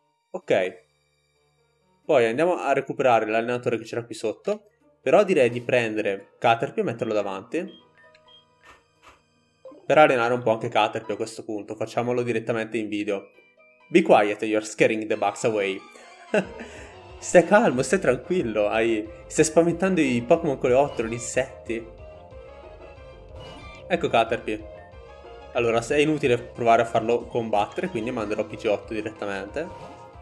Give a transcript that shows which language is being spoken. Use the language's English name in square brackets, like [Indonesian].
[Italian] Ok. Poi andiamo a recuperare l'allenatore che c'era qui sotto, però direi di prendere Caterpie e metterlo davanti. Per allenare un po' anche Caterpie a questo punto, facciamolo direttamente in video. [English] Be quiet, you're scaring the bugs away. [Italian] Stai calmo, stai tranquillo, stai spaventando i Pokémon con le otto, gli insetti. Ecco Caterpie. Allora, è inutile provare a farlo combattere, quindi manderò Pidgeotto direttamente.